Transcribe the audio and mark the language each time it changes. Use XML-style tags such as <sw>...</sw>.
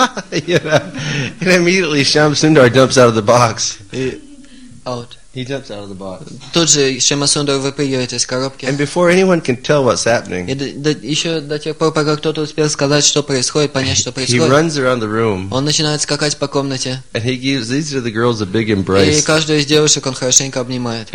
<en>And immediately Shamsundar jumps out of the box. Out. He jumps out of the box.</en> <ru>Тут же Шамасундар выпрыгивает из коробки.</ru> <en>And before anyone can тell what's happening,</en> <ru>еще до тех пор, пока кто-то успел сказать, что происходит, понять, что происходит,</ru> <en>he runs around the room.</en> <ru>Он начинает скакать по комнате.</ru> <en>And he gives each of the girls a big embrace.</en> <ru>И каждую из девушек он хорошенько обнимает.</ru>